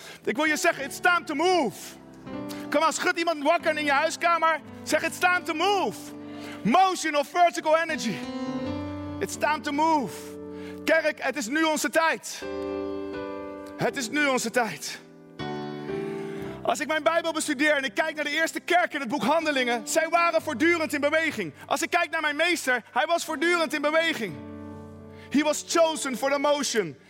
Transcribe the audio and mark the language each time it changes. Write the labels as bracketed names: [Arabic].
[Dutch] Ik wil je zeggen, [English] it's time to move. [Dutch] Kom aan, schud iemand wakker in je huiskamer. Zeg, [English] it's time to move. Motion of vertical energy. It's time to move. [Dutch] Kerk, het is nu onze tijd. Het is nu onze tijd. Als ik mijn Bijbel bestudeer en ik kijk naar de eerste kerk in het boek Handelingen, zij waren voortdurend in beweging. Als ik kijk naar mijn meester, hij was voortdurend in beweging. [English] He was chosen for the motion.